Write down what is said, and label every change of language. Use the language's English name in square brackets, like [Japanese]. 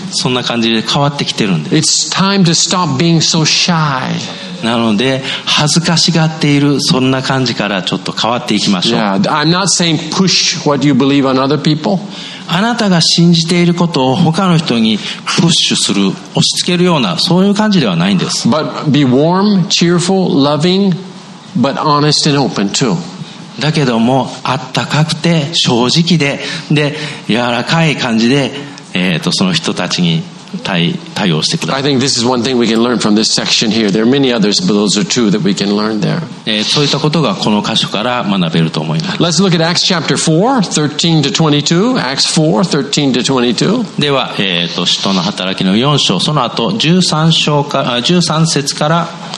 [Japanese] そんな感じで変わってきてるんです。 [English] It's time to stop being so shy. [Japanese] なので、恥ずかしがっている、そんな感じからちょっと変わっていきましょう。 [English] Yeah. I'm not saying push what you believe on other people. [Japanese] あなたが信じていることを他の人にプッシュする、押し付けるような、そういう感じではないんです。 [English] But be warm, cheerful, loving, but honest and open too. [Japanese] だけどもあったかくて正直でで柔らかい感じで、その人たちに対応してください。 [English] I think this is one thing we can learn from this section here. There are many others, but those are two that we can learn there. [Japanese] そういったことがこの箇所から学べると思います。 [English] Let's look at Acts chapter 4:13-22. Acts 4:13-22. [Japanese] では、使徒の働きの4章その後13節から。